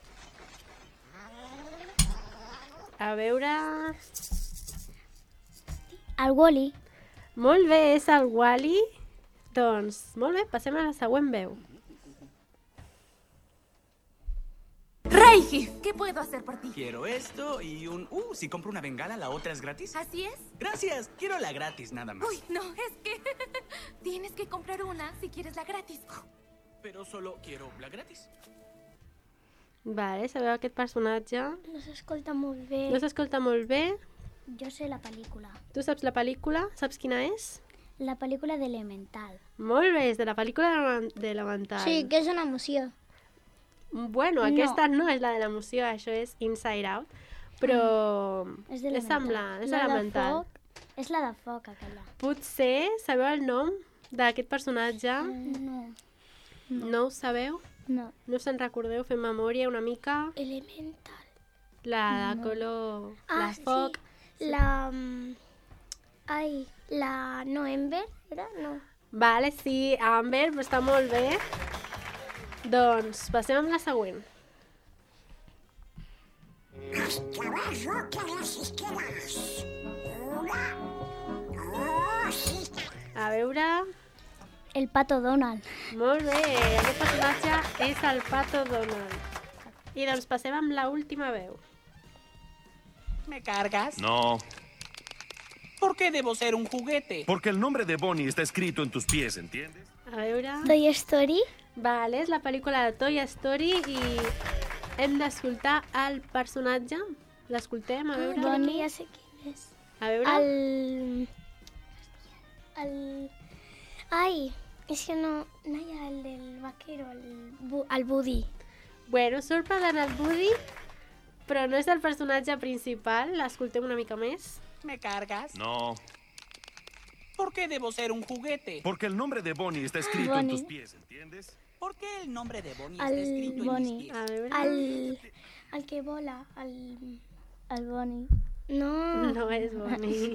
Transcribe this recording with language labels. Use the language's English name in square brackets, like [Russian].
[Catalan] Directive! A veure... El Wall-E. Molt bé, és el Wall-E. Doncs, molt bé, passem a la següent veu. [Spanish] Reiji, ¿qué puedo hacer por ti? Quiero esto y un... si compro una bengala, la otra es gratis. ¿Así es? Gracias, quiero la gratis, nada más. Uy, no, es que... tienes que comprar una si quieres la gratis. Pero solo quiero la gratis. [Catalan] Vale, sabeu aquest personatge? No s'escolta molt bé. No s'escolta molt bé. Jo sé la pel·lícula. Tu saps la pel·lícula? Saps quina és? La pel·lícula d'Elemental. Molt bé, és de la pel·lícula d'Elemental. Sí, que és una emoció. Bueno, aquesta no és la de l'emoció, això és Inside Out, però és de l'elemental. És la de foc, aquella. Potser sabeu el nom d'aquest personatge? No. No ho sabeu? No. No se'n recordeu? Fem memòria una mica? Elemental. La de color... Ah, la foc. Sí. Sí. La... Ai, la Noember, era? No. Vale, sí, Amber, però està molt bé. Doncs, passem amb la següent. [Spanish] Los caballos que resistirás. Una, dos y tres. [Catalan] A veure... El pato Donald. Molt bé, aquest personatge és el pato Donald. I doncs passem amb l'última veu. [Spanish] ¿Me cargas? No. ¿Por qué debo ser un juguete? Porque el nombre de Bonnie está escrito en tus pies, ¿entiendes? [Catalan] A veure... Toy Story. Vale, és la pel·lícula de Toy Story i hem d'escoltar el personatge. L'escoltem, a veure... Bonnie, ja sé quin és. A veure... El... Ai, és que no... No hi ha el del vaquero, el Woody. Bueno, sorprenent el Woody, però no és el personatge principal. L'escoltem una mica més. [Spanish] ¿Me cargas? No. ¿Por qué debo ser un juguete? Porque el nombre de Bonnie está escrito en tus pies, ¿entiendes? ¿Por qué el nombre de Bonnie al está escrito Bonnie. En mis pies? A ver, [Catalan] al que vola, al Bonnie. No. [Spanish] No es Bonnie.